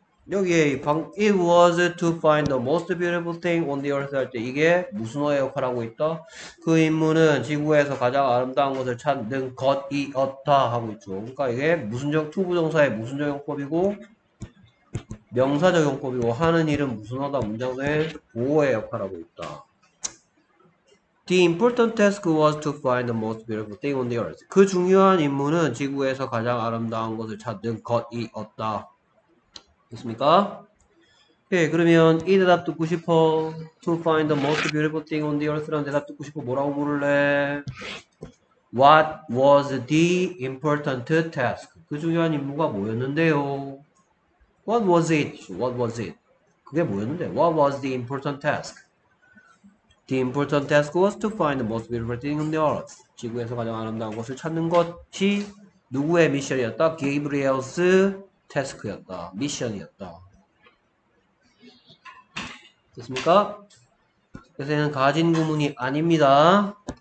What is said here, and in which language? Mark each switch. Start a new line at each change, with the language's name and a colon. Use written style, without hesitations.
Korean: 여기에
English: it was to find the most beautiful thing on the earth
Korean: 할때 이게 무슨 어의 역할을 하고 있다? 그 임무는 지구에서 가장 아름다운 것을 찾는 것이었다 하고 있죠. 그러니까 이게 무슨적 to 부정사의 무슨적 용법이고 명사적 용법이고 하는 일은 무슨 어다 문장의 보호의 역할을 하고 있다.
English: The important task was to find the most beautiful thing on the earth.
Korean: 그 중요한 임무는 지구에서 가장 아름다운 것을 찾는 것이었다. 됐습니까? 예, 그러면 이 대답 듣고 싶어.
English: To find the most beautiful thing on the earth
Korean: 라는 대답 듣고 싶어. 뭐라고 물을래?
English: What was the important task?
Korean: 그 중요한 임무가 뭐였는데요?
English: What was it? What was it?
Korean: 그게 뭐였는데?
English: What was the important task? The important task was to find the most beautiful thing on the earth.
Korean: 지구에서 가장 아름다운 것을 찾는 것이 누구의 미션이었다? Gabriel's 태스크였다. 미션이었다. 됐습니까? 그래서 얘는 가진 구문이 아닙니다.